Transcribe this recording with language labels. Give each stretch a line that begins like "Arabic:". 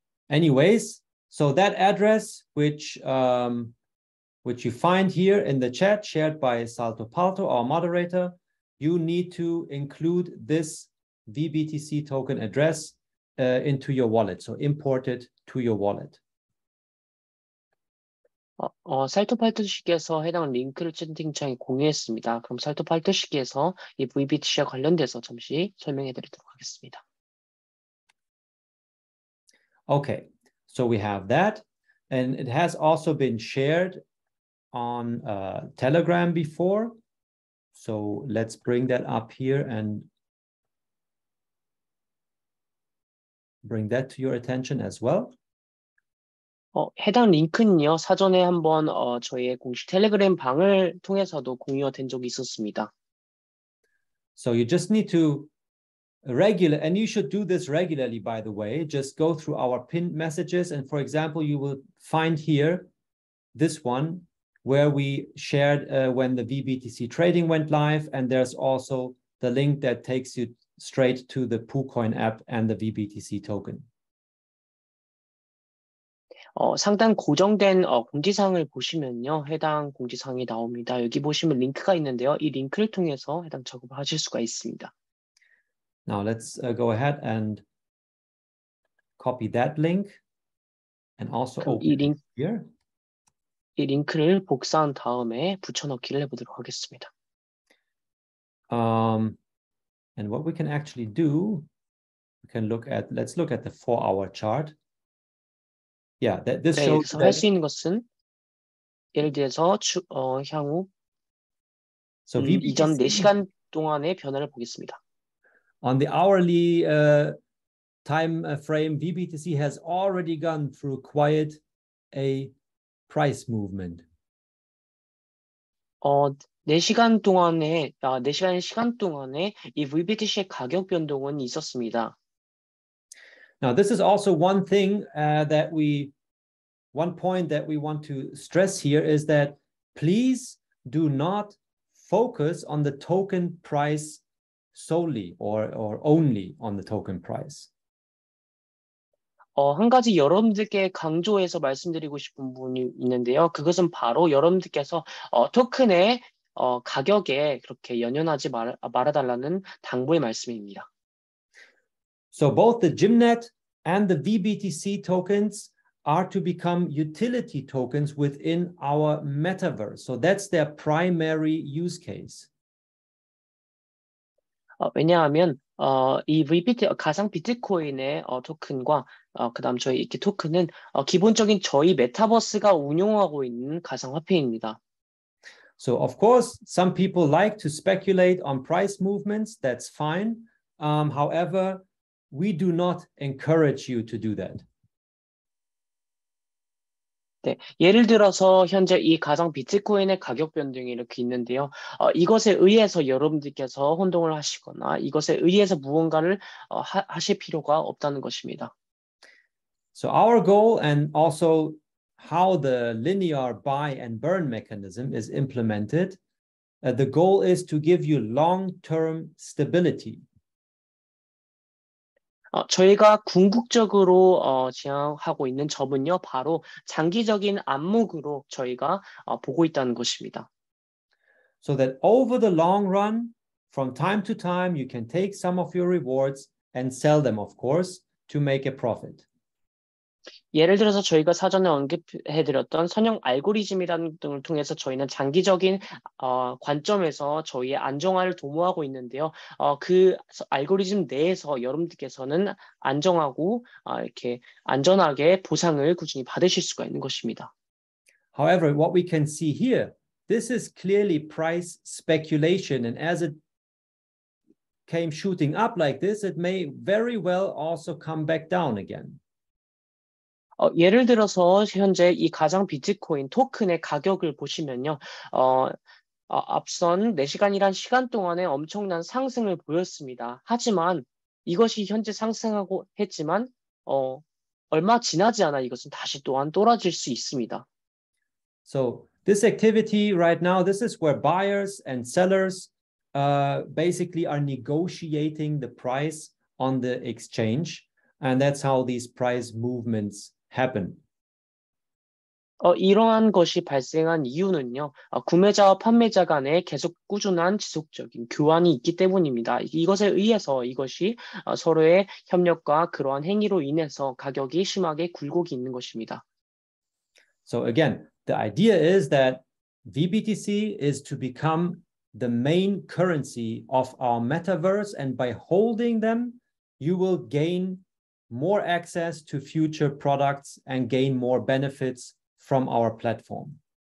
English: Anyways, so that address, which you find here in the chat, shared by Salto Palto, our moderator, you need to include this VBTC token address into your wallet. So import it to your wallet.
Korean: 살토 팔토 씨께서 해당 링크를 채팅창에 공유했습니다. 그럼 살토 팔토 씨께서 이 VBTC와 관련돼서 잠시 설명해드리도록 하겠습니다.
English: Okay. So we have that, and it has also been shared on Telegram before. So let's bring that up here and bring that to your attention as well.
Korean: 해당 링크는요, 사전에 한번 저희의 공식 텔레그램 방을 통해서도 공유된 적이 있었습니다.
English: So you just need to regular, and you should do this regularly, by the way. Just go through our pinned messages, and for example, you will find here this one where we shared when the VBTC trading went live, and there's also the link that takes you straight to the Poolcoin app and the VBTC token.
Korean: 상당 고정된 공지사항을 보시면요. 해당 공지사항이 나옵니다. 여기 보시면 링크가 있는데요. 이 링크를 통해서 해당 작업을 하실 수가 있습니다.
English: Now let's go ahead and copy that link and also open it here.
Korean: 이 링크를 복사한 다음에 붙여넣기를 해보도록 하겠습니다.
English: And what we can actually do, we can look at, let's look at the 4-hour chart. Yeah, that this 네, shows.
Korean: 그래서 할 수 있는 것은 예를 들어서 향후
English: so VBTC,
Korean: 이전 4시간 동안의 변화를 보겠습니다.
English: On the hourly time frame, VBTC has already gone through quite a price movement.
Korean: 4시간 동안에 4시간 시간 동안에 이 VBTC의 가격 변동은 있었습니다.
English: Now this is also one thing that we one point that we want to stress here is that please do not focus on the token price solely or only on the token price.
Korean: 한 가지 여러분들께 강조해서 말씀드리고 싶은 부분이 있는데요. 그것은 바로 여러분들께서 토큰의 가격에 그렇게 연연하지 말아달라는 당부의 말씀입니다.
English: So both the Gymnet and the VBTC tokens are to become utility tokens within our metaverse. So that's their primary use case.
Korean: 왜냐하면 이 VBT 가상 비트코인의 토큰과 그다음 저희 이렇게 토큰은 기본적인 저희 메타버스가 운영하고 있는 가상 화폐입니다.
English: So of course some people like to speculate on price movements, that's fine. However, we do not encourage you to do that.
Korean: 네, 예를 들어서 현재 이 가상 비트코인의 가격 변동이 이렇게 있는데요. 이것에 의해서 여러분들께서 혼동을 하시거나 이것에 의해서 무언가를 하실 필요가 없다는 것입니다.
English: So our goal and also how the linear buy and burn mechanism is implemented, the goal is to give you long-term stability.
Korean: 저희가 궁극적으로 지향하고 있는 점은요, 바로 장기적인 안목으로 저희가 보고 있다는 것입니다.
English: So that over the long run, from time to time, you can take some of your rewards and sell them, of course, to make a profit.
Korean: 예를 들어서 저희가 사전에 언급해드렸던 선형 알고리즘이라는 등을 통해서 저희는 장기적인 관점에서 저희의 안정화를 도모하고 있는데요. 그 알고리즘 내에서 여러분들께서는 안정하고 이렇게 안전하게 보상을 꾸준히 받으실 수가 있는 것입니다.
English: However, what we can see here, this is clearly price speculation, and as it came shooting up like this, it may very well also come back down again.
Korean: 예를 들어서 현재 이 가상 비트코인 토큰의 가격을 보시면요. 앞선 4시간이란 시간 동안에 엄청난 상승을 보였습니다. 하지만 이것이 현재 상승하고 했지만 얼마 지나지 않아 이것은 다시 또한 떨어질 수 있습니다.
English: So this activity right now, this is where buyers and sellers basically are negotiating the price on the exchange, and that's how these price movements happen.
Korean: 이러한 것이 발생한 이유는요. 구매자와 판매자 간에 계속 꾸준한 지속적인 교환이 있기 때문입니다. 이것에 의해서 이것이 서로의 협력과 그러한 행위로 인해서 가격이 심하게 굴곡이 있는 것입니다.
English: So again, the idea is that VBTC is to become the main currency of our metaverse, and by holding them, you will gain more access to future products and gain more benefits from our platform.